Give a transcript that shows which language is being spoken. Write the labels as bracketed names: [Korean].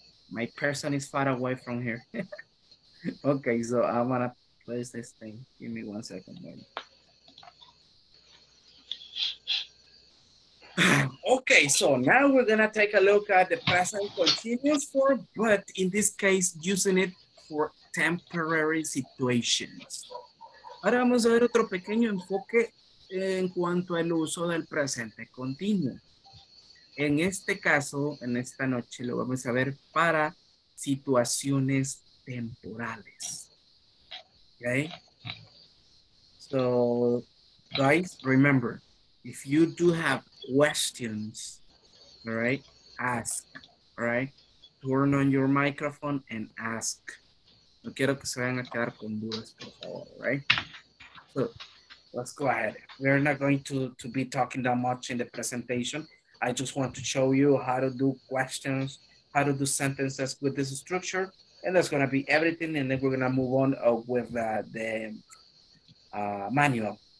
[English] My person is far away from here. Okay, so I'm gonna place this thing. Give me 1 second, man. Okay, so now we're gonna take a look at the present continuous form, but in this case, using it for temporary situations. [Spanish] Ahora vamos a ver otro pequeño enfoque en cuanto al uso del presente continuo. En este caso, en esta noche, lo vamos a ver para situaciones temporales. [English] Okay? So, guys, remember, if you do have questions, all right, ask, all right, turn on your microphone and ask. [Spanish] No quiero que se vayan a quedar con dudas, por favor, [English] all right? So, let's go ahead. We're not going to be talking that much in the presentation. I just want to show you how to do questions, how to do sentences with this structure, and that's going to be everything, and then we're going to move on with the manual.